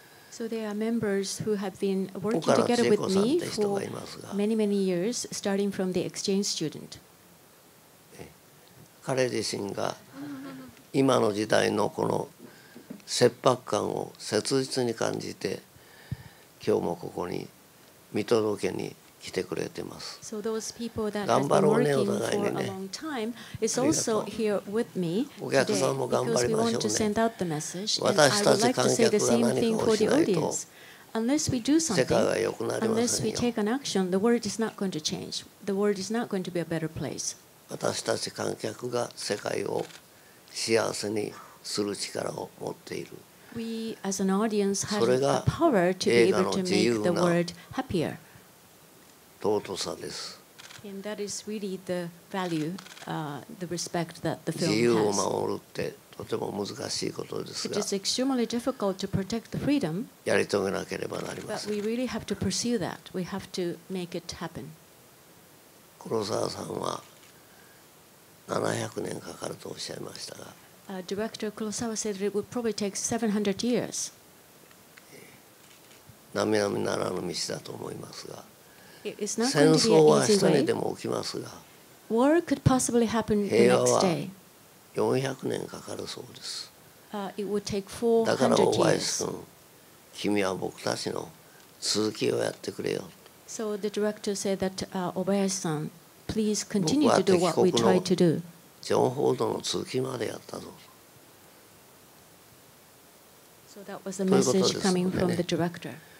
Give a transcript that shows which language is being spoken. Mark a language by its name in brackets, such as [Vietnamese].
[English] So there are members who have been working together with me for many many years starting from the exchange student. [Japanese] 彼自身が今の時代のこの切迫感を切実に感じて今日もここに見届けに来てくれてます。 [English] So those people that have been working for a long time is also here with me today because we want to send out the message. And I would like to say the same thing for the audience. Unless we do something, unless we take an action, the world is not going to change. The world is not going to be a better place. [Japanese] 私たち観客が世界を幸せにする力を持っている。 [English] We as an audience have the power to be able to make the world happier. [Japanese] 尊さです。 [English] And that is really the value, the respect that the film has. [Japanese] 自由を守るってとても難しいことですが。 [English] It is extremely difficult to protect the freedom. [Japanese] やり遂げなければなりません。 [English] But we really have to pursue that. We have to make it happen. [Japanese] 黒沢さんは700年かかるとおっしゃいましたが。 [English] Director Kurosawa said that it would probably take 700 years. [Japanese] なみなみならぬ道だと思いますが。 [English] It's not [Japanese] 戦争は一人でも起きますが、 [English] War could possibly happen the next day. [Japanese] 平和は400年かかるそうです。 [English] It would take 400 years. [Japanese] だから大林君、君は僕たちの続きをやってくれよ。 [English] So the director said that, Obayashi-san, please continue to do what we try to do. [Japanese] 僕は敵国のジョン・フォードの続きまでやったぞ。 [English] So that was a message coming from the director.